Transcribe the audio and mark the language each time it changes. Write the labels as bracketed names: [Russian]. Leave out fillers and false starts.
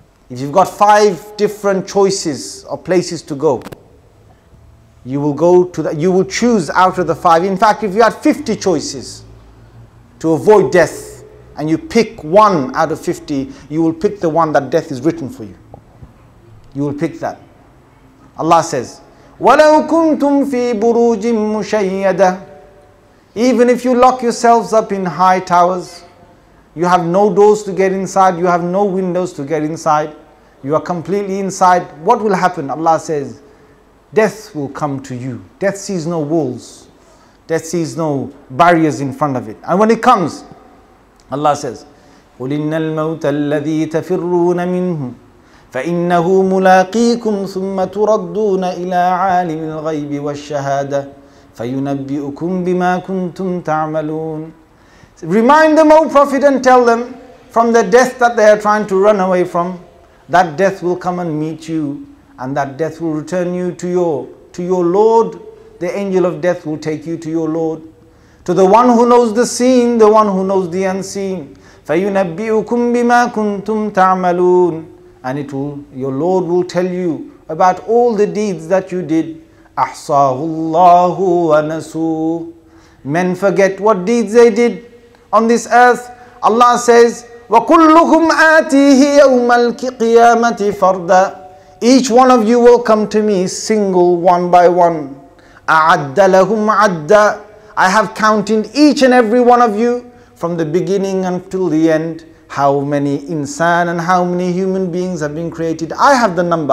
[English] If you've got five different choices or places to go, you will go to that. You will choose out of the five. In fact, if you had 50 choices to avoid death and you pick one out of 50, you will pick the one that death is written for you. You will pick that. Allah says, [Arabic] وَلَوْ كُنْتُمْ فِي بُرُوجٍ مُشَيَّدَةٍ. [English] Even if you lock yourselves up in high towers, you have no doors to get inside, you have no windows to get inside, you are completely inside, what will happen? Allah says, death will come to you. Death sees no walls. Death sees no barriers in front of it. And when it comes, Allah says, [Arabic] قل إن الموت الذي تفرون منه فإنه ملاقيكم ثم تردون إلى عالم الغيب والشهادة فينبئكم بما كنتم تعملون. [English] Remind them, O Prophet, and tell them from the death that they are trying to run away from, that death will come and meet you, and that death will return you to your Lord. The angel of death will take you to your Lord, to the one who knows the seen, the one who knows the unseen. [Arabic] فَيُنَبِّئُكُمْ بِمَا كُنْتُمْ تَعْمَلُونَ. [English] And your Lord will tell you about all the deeds that you did. [Arabic] أَحْصَاهُ اللَّهُ وَنَسُوهُ. [English] Men forget what deeds they did on this earth. Allah says, [Arabic] وَكُلُّكُمْ آتِيهِ يَوْمَ الْقِيَامَةِ فَرْدًا. [English] Each one of you will come to me single, one by one. [Arabic] أَعَدَّ لَهُمْ عَدَّا. [English] I have counted each and every one of you from the beginning until the end. How many insan and how many human beings have been created? I have the number.